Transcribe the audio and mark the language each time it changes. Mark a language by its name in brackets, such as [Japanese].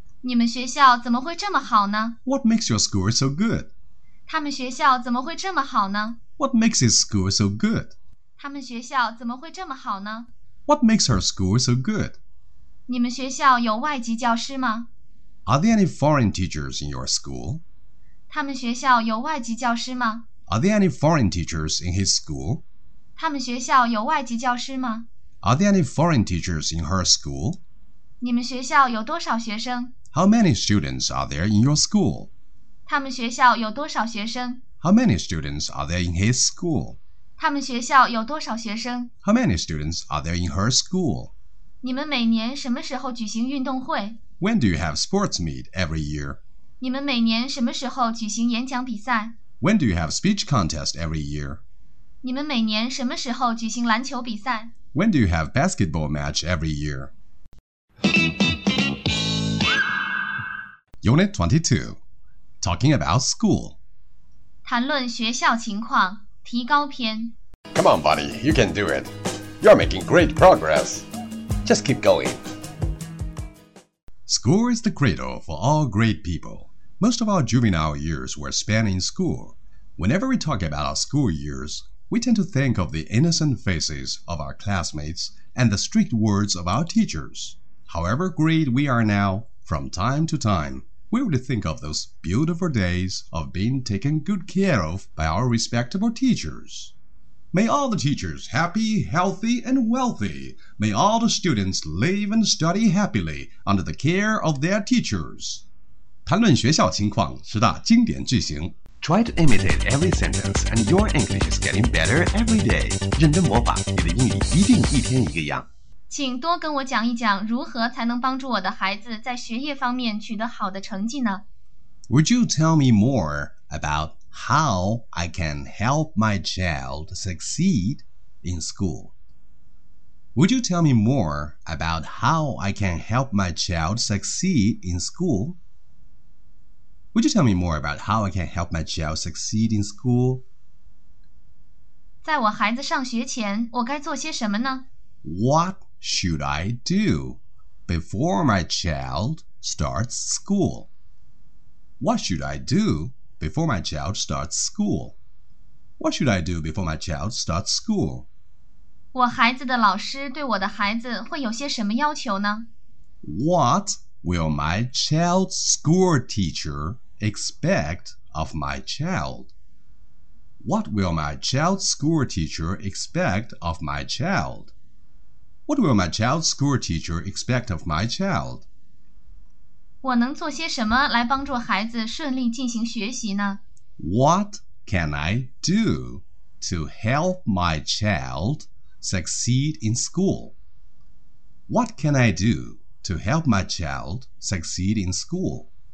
[Chinese] 你们学校怎么会这么好呢？ [English] What makes your school so good? [Chinese] 他们学校怎么会这么好呢？ [English] What makes his school so good? [Chinese] 他们学校怎么会这么好呢？ [English] What makes her school so good? [Chinese] 你们学校有外籍教师吗？ [English] Are there any foreign teachers in your school? [Chinese] 他们学校有外籍教师吗？ [English] Are there any foreign teachers in his school? [Chinese] 他们学校有外籍教师吗？ [English] Are there any foreign teachers in her school? [Chinese] 你们学校有多少学生？ [English] How many students are there in your school? [Chinese] 他们学校有多少学生？ [English] How many students are there in his school? [Chinese] 他们学校有多少学生？ [English] How many students are there in her school? [Chinese] 你们每年什么时候举行运动会？ [English] When do you have sports meet every year? [Chinese] 你们每年什么时候举行演讲比赛？ [English] When do you have speech contest every year? [Chinese] 你们每年什么时候举行篮球比赛？ [English] When do you have basketball match every year? Unit 22. Talking about school. [Chinese] 谈论学校情况，提高篇。 [English] Come on, buddy, you can do it. You're making great progress. Just keep going. School is the cradle for all great people. Most of our juvenile years were spent in school. Whenever we talk about our school years,We tend to think of the innocent faces of our classmates and the strict words of our teachers. However great we are now, from time to time, we would think of those beautiful days of being taken good care of by our respectable teachers. May all the teachers happy, healthy, and wealthy. May all the students live and study happily under the care of their teachers. [Chinese] 谈论学校情况，十大经典句型。 [English] Try to imitate every sentence, and your English is getting better every day. [Chinese] 认真模仿，你的英语一定一天一个样。请多跟我讲一讲，如何才能帮助我的孩子在学业方面取得好的成绩呢？ [English] Would you tell me more about how I can help my child succeed in school? Would you tell me more about how I can help my child succeed in school? Would you tell me more about how I can help my child succeed in school? [Chinese] 在我孩子上学前，我该做些什么呢？ [English] What should I do before my child starts school? What should I do before my child starts school? What should I do before my child starts school? [Chinese] 我孩子的老师对我的孩子会有些什么要求呢？ [English] What will my child's school teacher? Expect of my child. What will my child's school teacher expect of my child? What will my child's school teacher expect of my child? [Chinese] 我能做些什么来帮助孩子顺利进行学习呢？ [English] What can I do to help my child succeed in school? What can I do to help my child succeed in school?